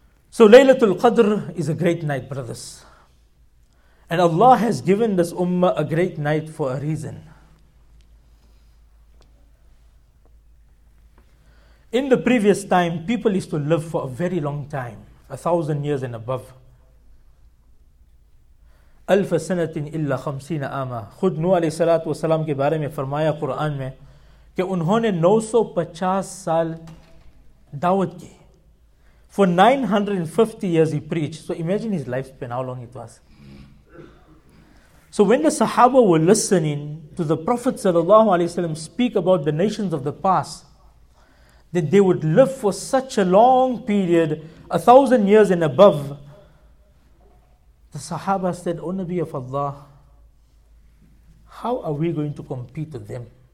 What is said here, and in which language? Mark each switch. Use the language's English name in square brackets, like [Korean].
[English] So Laylatul Qadr is a great night, brothers. And Allah has given this ummah a great night for a reason. In the previous time, people used to live for a very long time, 1,000 years and above. [Arabic] ألف سنة إلا خمسين عاما. [Urdu] خود نوح علیہ السلام کے بارے میں فرمایا قرآن میں کہ انہوں نے 950 سال دعوت کی. [English] For 950 years he preached. So imagine his lifespan, how long it was. So when the Sahaba were listening to the Prophet sallallahu alaihi wasallam speak about the nations of the past, that they would live for such a long period, 1,000 years and above, the Sahaba said, O Nabi of Allah, how are we going to compete with them?